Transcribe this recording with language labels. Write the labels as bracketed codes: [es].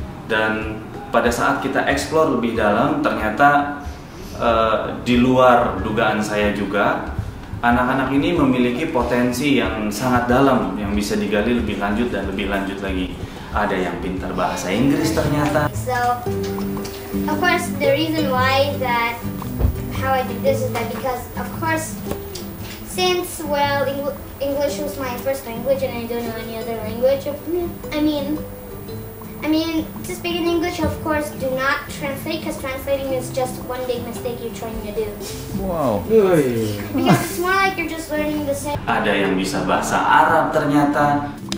[id] Dan pada saat kita eksplor lebih dalam, ternyata di luar dugaan saya juga, anak-anak ini memiliki potensi yang sangat dalam yang bisa digali lebih lanjut dan lebih lanjut lagi. Ada yang pintar bahasa Inggris ternyata. [en] So, of course, the reason why that how I did this is that because, of course, since, well, English was my first language and I don't know any other language, I mean, to speak in English, of course, do not translate, because translating is just one big mistake you're trying to do. Wow. Because it's more like you're just learning the same. [id] Ada yang bisa bahasa Arab ternyata.